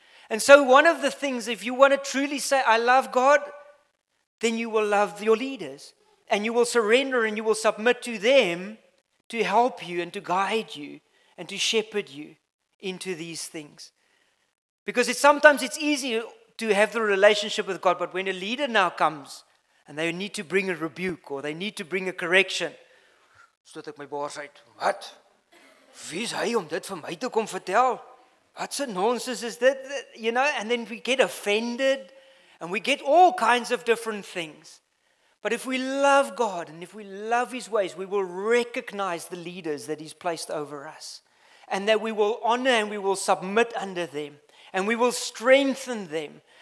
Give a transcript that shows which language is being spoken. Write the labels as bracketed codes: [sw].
[en] And so one of the things, if you want to truly say, I love God, then you will love your leaders and you will surrender and you will submit to them to help you and to guide you and to shepherd you into these things. Because sometimes it's easier to have the relationship with God, but when a leader now comes and they need to bring a rebuke or they need to bring a correction, so that my boss said, what? [af] Wie is hy om dit vir my te kom vertel? [en] What's a nonsense is that, you know? And then we get offended and we get all kinds of different things. But if we love God and if we love his ways, we will recognize the leaders that he's placed over us and that we will honor and we will submit under them and we will strengthen them.